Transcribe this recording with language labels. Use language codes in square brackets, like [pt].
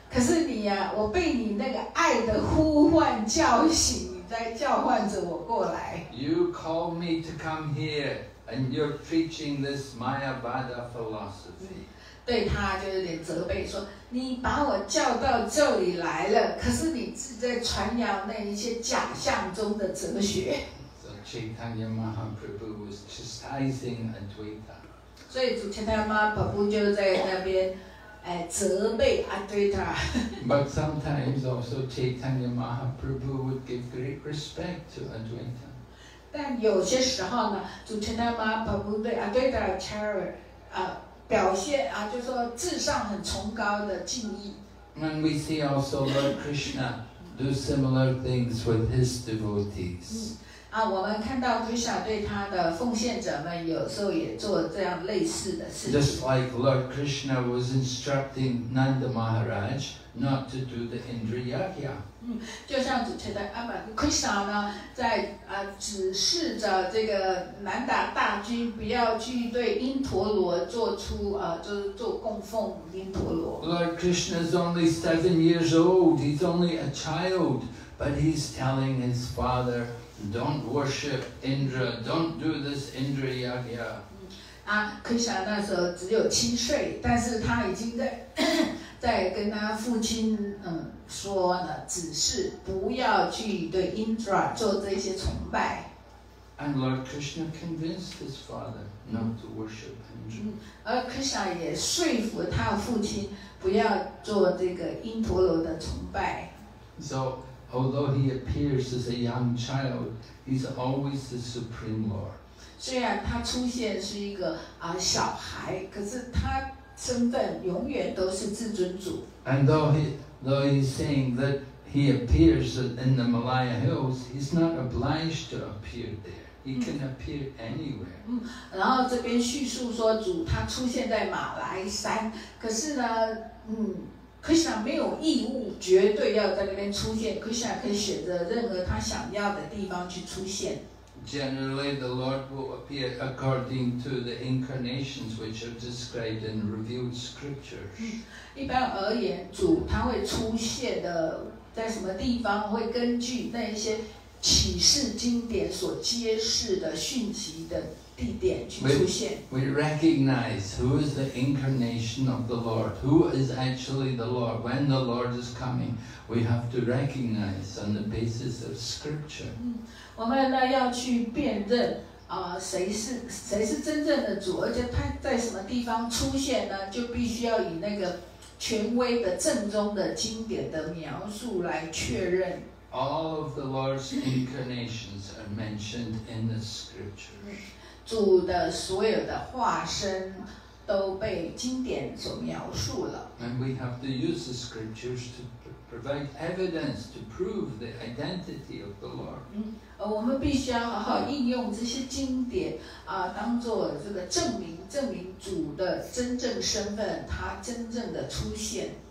[zh] 可是你呀、啊，我被你那个爱的呼唤叫醒，你在叫唤着我过来。 [en] You call me to come here, and you're preaching this Mayavada philosophy. [zh] 对他就有点责备，说你把我叫到这里来了，可是你是在传扬那一些假象中的哲学。 [en] So Chaitanya Mahaprabhu was chastising Advaita. [zh] 所以主 Chaitanya Mahaprabhu 就在那边责备 Advaita. [en] But sometimes also Chaitanya Mahaprabhu would give great respect to Advaita. [zh] 但有些时候呢，主 Chaitanya Mahaprabhu 对 Advaita Acharya 表现啊，就是说至上很崇高的敬意。 [en] And we see also Lord Krishna do similar things with his devotees. [zh] 啊，我们看到 Krishna 对他的奉献者们有时候也做这样类似的事情。 [en] Just like Lord Krishna was instructing Nanda Maharaj not to do the Indra Yagya. [zh] 就像主持的阿玛 Krishna 呢，在指示着这个南达大军不要去对因陀罗做出就是做供奉因陀罗。 [en] Lord Krishna is only 7 years old. He's only a child, but he's telling his father, "Don't worship Indra. Don't do this Indra Yagya." [zh] 啊 ，Krishna 那时候只有7岁，但是他已经在跟他父亲说了，只是不要去对 Indra 做这些崇拜。 [en] And Lord Krishna convinced his father not to worship Indra. [zh] 而 Krishna 也说服他父亲不要做这个因陀罗的崇拜。 [en] So although he appears as a young child, he's always the supreme Lord. [zh] 虽然他出现是一个小孩，可是他身份永远都是至尊主。 [en] And though he's saying that he appears in the Malaya Hills, he's not obliged to appear there. He can appear anywhere. [zh] 然后这边叙述说主他出现在马来山，可是呢，Krishna 没有义务绝对要在那边出现。 Krishna 可以选择任何他想要的地方去出现。 [en] Generally, the Lord will appear according to the incarnations which are described in revealed scriptures. [zh] 一般而言，主他会出现的在什么地方，会根据那些启示经典所揭示的讯息的地点去出现。 [en] We recognize who is the incarnation of the Lord, who is actually the Lord. When the Lord is coming, we have to recognize on the basis of scripture. [zh] 我们呢要去辨认谁是真正的主，而且他在什么地方出现呢，就必须要以那个权威的正宗的经典的描述来确认。 [en] All of the Lord's incarnations are mentioned in the scriptures. [zh] 主的所有的化身都被经典所描述了。 [en] And we have to use the scriptures to provide evidence to prove the identity of the Lord. [zh] 我们必须要好好应用这些经典当作这个证明主的真正身份，他真正的出现。